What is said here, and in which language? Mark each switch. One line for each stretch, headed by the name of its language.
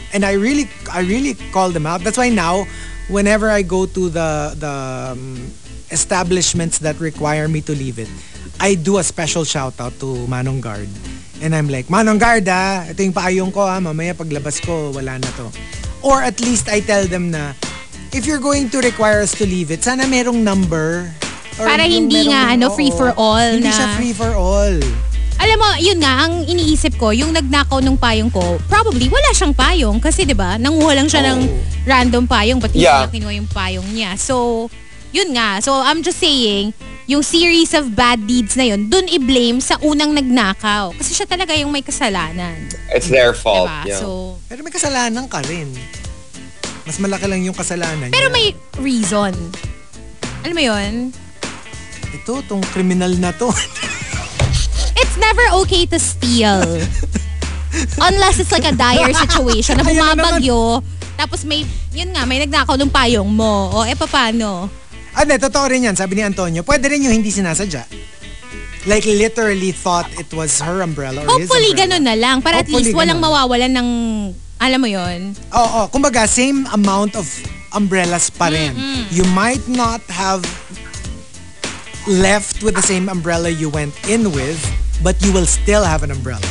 English: And I really call them out. That's why now, whenever I go to the establishments that require me to leave it, I do a special shout out to Manong Guard. And I'm like, Manong Guard, ah,
Filipino: ito yung paayong ko, ah, mamaya paglabas ko, wala na to.
English: Or at least I tell them na, if you're going to require us to leave it,
Filipino: sana merong number.
English: Or
Filipino: para hindi nga, ano,
English: free for all.
Filipino: Hindi siya
English: free for all.
Filipino: Alam mo, yun nga, ang iniisip ko, yung nagnakaw ng payong ko, probably wala siyang payong kasi, di ba, nanguha lang siya ng random payong but hindi na kinuha yung payong niya. So, yun nga.
English: So, I'm just saying,
Filipino: yung
English: series of bad deeds
Filipino: na yun, dun i-blame sa unang nagnakaw kasi siya talaga yung may kasalanan.
English: It's their fault. Diba? Yeah. So,
Filipino: pero may kasalanan ka rin. Mas malaki lang yung kasalanan pero niya. May reason. Alam mo yun? Ito, tong criminal na to.
English: It's never okay to steal. Unless it's like a dire situation
Filipino: na bumabagyo. Tapos may, yun nga, may nagnakaw ng payong mo. O, e, paano? Ano, totoo rin yan. Sabi ni Antonio, pwede rin yung hindi sinasadya.
English: Like, literally thought it was her umbrella or hopefully his umbrella.
Filipino: Hopefully, ganun na lang. Para hopefully at least walang ganun. Mawawalan ng, alam mo yun? Oo, oh, kumbaga,
English: same amount of umbrellas
Filipino: pa rin. Mm-hmm.
English: You might not have left with the same umbrella you went in with, but you will still have an umbrella.